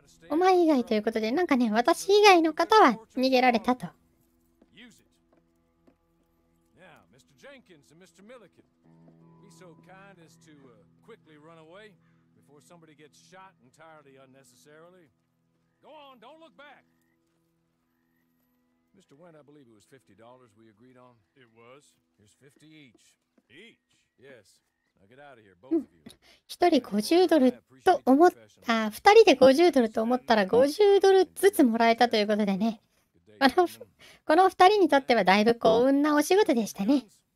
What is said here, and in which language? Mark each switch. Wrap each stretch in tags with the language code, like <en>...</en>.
<ja>お前以外ということで、なんかね、私以外の方は逃げられたと。</ja> <en>Now, Mr. Jenkins and Mr. Milliken, be so kind as to quickly run away. Before somebody gets shot entirely unnecessarily. Go on, don't look back. Mr. Wendt, I believe it was $50 we agreed on. It was. Here's 50 each. Each? Yes. Now get out of here, both of you.</en> <ja>1人$50と思った、2人で50ドルと思ったら50ドルずつもらえたということでね。この2人にとってはだいぶ幸運なお仕事でしたね。</ja>